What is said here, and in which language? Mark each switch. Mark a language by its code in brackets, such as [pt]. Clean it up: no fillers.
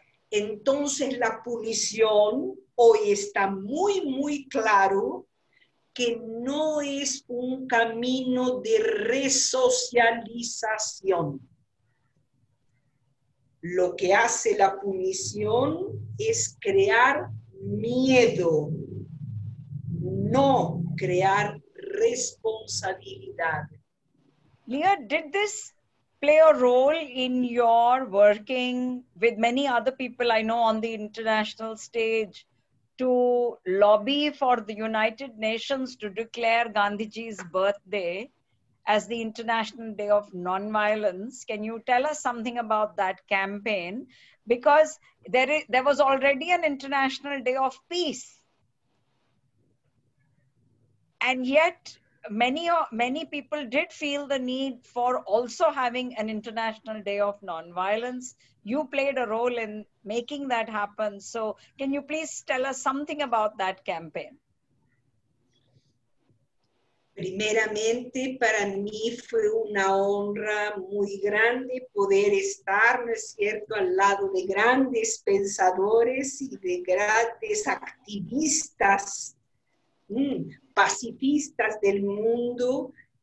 [es] Entonces la punición hoy está muy, muy claro que no es un camino de resocialización. Lo que hace la punición es crear miedo, no crear responsabilidad. [en] Lía, ¿did this play a role in your working with many other people I know on the international stage to lobby for the United Nations to declare Gandhiji's birthday as the International Day of Nonviolence? Can you tell us something about that campaign? Because there was already an International Day of Peace. And yet, many people did feel the need for also having an International Day of Nonviolence. You played a role in making that happen. So can you please tell us something about that campaign? [es] Primeramente, para mí fue una honra muy grande poder estar, ¿no es cierto?, al lado de grandes pensadores y de grandes activistas pacifistas del mundo,